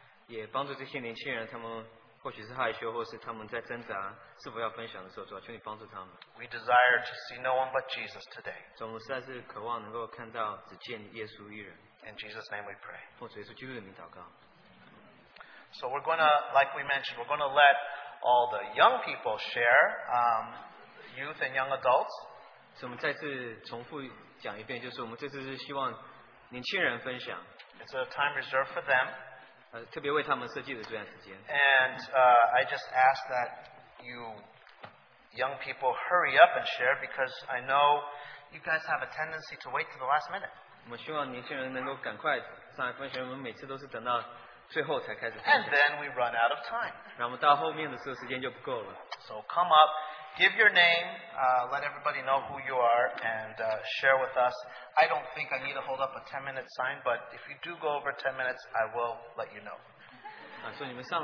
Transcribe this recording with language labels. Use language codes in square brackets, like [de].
[zh] 也帮助这些年轻人，他们或许是害羞，或是他们在挣扎，是否要分享的时候，主啊，求你帮助他们。 [en] We desire to see no one but Jesus today. [zh] 主，我们实在是渴望能够看到只见耶稣一人。 [en] In Jesus' name we pray. So we're going to, like we mentioned, we're going to let all the young people share, youth and young adults. So [zh] 我们再次重复讲一遍，就是我们这次是希望年轻人分享。 [en] It's a time reserved for them. [zh] 特别为他们设计的这段时间。 [en] And I just ask that you young people hurry up and share, because I know you guys have a tendency to wait to the last minute. [zh] 我们希望年轻人能够赶快上来分享，我们每次都是等到。 [en] And then we run out of time. [zh] 然后到后面的时候时间就不够了。 [en] So come up, give your name, let everybody know who you are, and share with us. I don't think I need to hold up a 10-minute sign, but if you do go over 10 minutes, I will let you know.